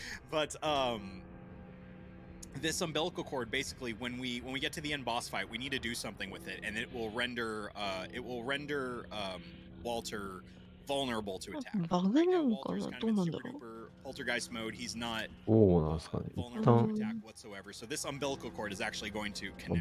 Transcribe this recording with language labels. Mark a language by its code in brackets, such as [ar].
[en] But this umbilical cord, basically, when we get to the end boss fight, we need to do something with it, and it will render Walter vulnerable to attack. [ja] バグなのかな、どうなんだろう。 [en] Poltergeist mode, he's not vulnerable to attack whatsoever. So this umbilical cord is actually going to connect.